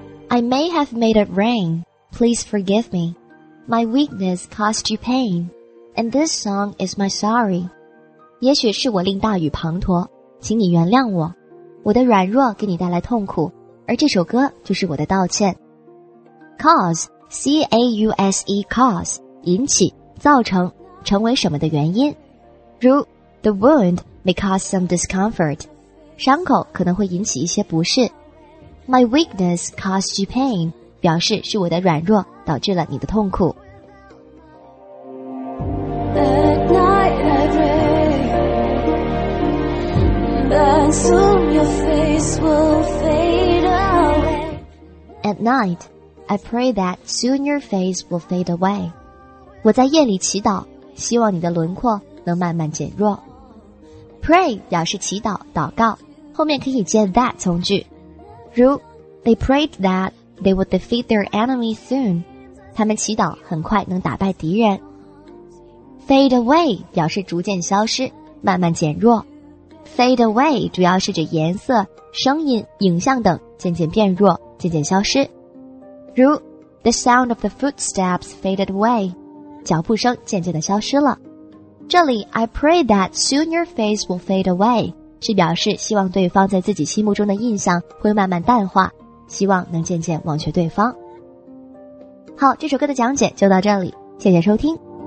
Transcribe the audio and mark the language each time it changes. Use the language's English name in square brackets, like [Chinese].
[English] I may have made it rain, please forgive me. My weakness caused you pain, and this song is my sorry. [Chinese] 也许是我令大雨滂沱，请你原谅我。我的软弱给你带来痛苦，而这首歌就是我的道歉。 Cause, C-A-U-S-E, cause, 引起，造成，成为什么的原因。 [English] 如 The wound may cause some discomfort. [Chinese] 伤口可能会引起一些不适。 [English] My weakness caused you pain, [Chinese] 表示是我的软弱导致了你的痛苦。 [English] At night I pray, then soon your face will fade away. At night, I pray that soon your face will fade away. [Chinese] 我在夜里祈祷，希望你的轮廓能慢慢减弱。 Pray 表示祈祷、祷告，后面可以接 that 从句，如 [English] They prayed that they would defeat their enemy soon. [Chinese] 他们祈祷很快能打败敌人。Fade away 表示逐渐消失，慢慢减弱。 Fade away 主要是指颜色、声音、影像等渐渐变弱，渐渐消失。 [English] 如 The sound of the footsteps faded away. [Chinese] 脚步声渐渐地消失了。这里 [English] I pray that soon your face will fade away [Chinese] 是表示希望对方在自己心目中的印象会慢慢淡化，希望能渐渐忘却对方。好，这首歌的讲解就到这里，谢谢收听。